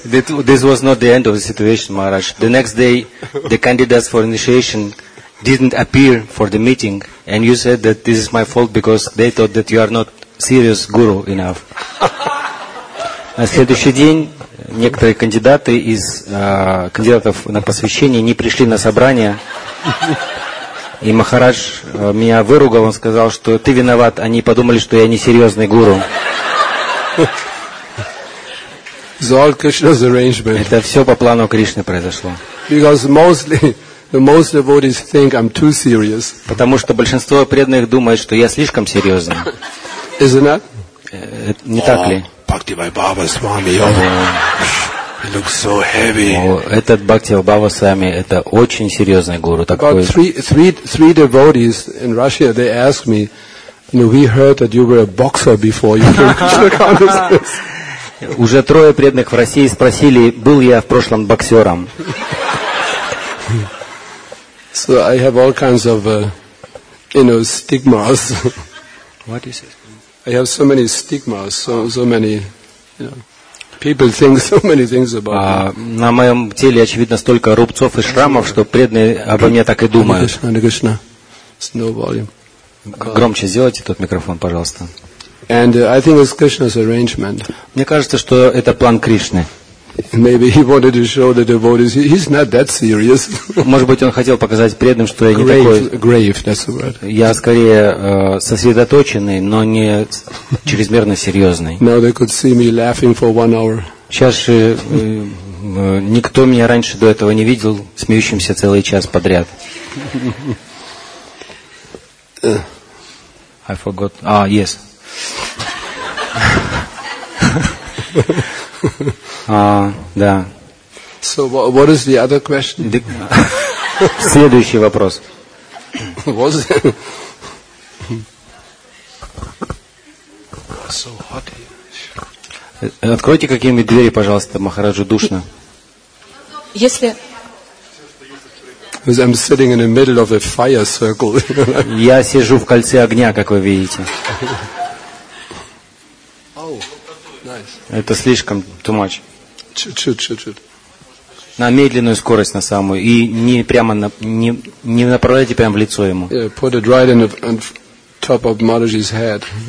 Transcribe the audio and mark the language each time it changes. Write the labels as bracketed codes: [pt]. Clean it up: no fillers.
[en] This was not the end of the situation, Maharaj. The next day, the candidates for initiation didn't appear for the meeting, and you said that this is my fault because they thought that you are not serious guru enough. [ru] На следующий день некоторые кандидаты из кандидатов на посвящение не пришли на собрание. И Махарадж меня выругал, он сказал, что ты виноват, они подумали, что я не серьезный гуру. [en] It's all Krishna's arrangement. [ru] Это все по плану Кришны произошло. [en] Because most devotees think I'm too serious. [ru] Потому что большинство преданных думает, что я слишком серьезный. [en] Isn't [ru] it? Не так ли? [en] Bhakti Vai Baba Swami, oh, he looks so heavy. [ru] Этот Бхакти Вай Баба Свами, это очень серьезный гуру. [en] About three devotees in Russia, they asked me, you know, we heard that you were a boxer before you came to Krishna consciousness. [ru] Уже трое преданных в России спросили, был я в прошлом боксером. [en] So I have all kinds of, you know, stigmas. What is it? I have so many stigmas, so many, you know, people think so many things about me. [ru] На моем теле, очевидно, столько рубцов и шрамов, что преданные обо мне так и думают. [en] Hare Krishna, it's no volume. [ru] Громче сделайте тот микрофон, пожалуйста. [en] And I think it's Krishna's arrangement. [ru] Мне кажется, что это план Кришны. [en] Maybe he wanted to show the devotees he's not that serious. [ru] Может быть, он хотел показать преданным, что я не такой. [en] Grave, that's the word. [ru] Я скорее сосредоточенный, но не чрезмерно серьезный. [en] Now they could see me laughing for one hour. [ru] Сейчас никто меня раньше до этого не видел смеющимся целый час подряд. [en] I forgot. Yes. [ru] Да. [en] So what is the other question? [ru] Следующий вопрос. [en] Was so hot here. [ru] Откройте какие-нибудь двери, пожалуйста, Махараджу душно. Если [en] I'm sitting in the middle of a fire circle. [ru] Я сижу в кольце огня, как вы видите. Это слишком [en] too much. [ru] Чуть-чуть. На медленную скорость на самую и не прямо на не направляйте прямо в лицо ему. [en] Yeah, put it right in the top of Maharaj's head.